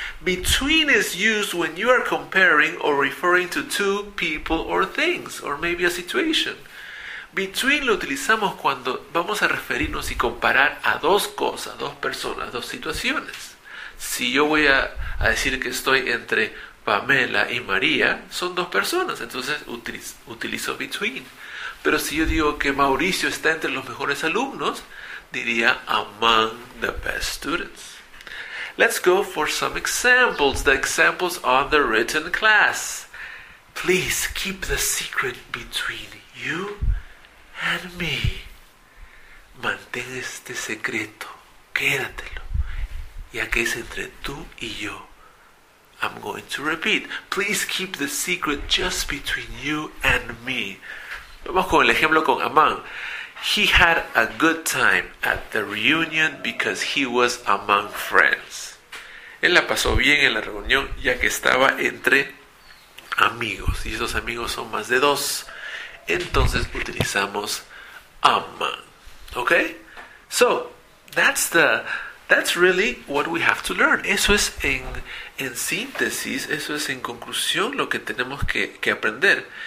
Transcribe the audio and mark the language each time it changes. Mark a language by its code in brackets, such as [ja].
[en] Between is used when you are comparing or referring to two people or things, or maybe a situation. [es] Between lo utilizamos cuando vamos a referirnos y comparar a dos cosas, dos personas, dos situaciones. Si yo voy a decir que estoy entre Pamela y María, son dos personas, entonces utilizo between. Pero si yo digo que Mauricio está entre los mejores alumnos, diría [en] among the best students. Let's go for some examples. The examples on the written class. Please keep the secret between you and me. [es] Mantén este secreto. Quédatelo. Ya que es entre tú y yo. [en] I'm going to repeat. Please keep the secret just between you and me. [es] Vamos con el ejemplo con among. [en] He had a good time at the reunion because he was among friends. [es] Él la pasó bien en la reunión ya que estaba entre amigos. Y esos amigos son más de dos. Entonces utilizamos among. Okay? [en] So, that's really what we have to learn. [es] Eso es en síntesis, eso es en conclusión lo que tenemos que aprender.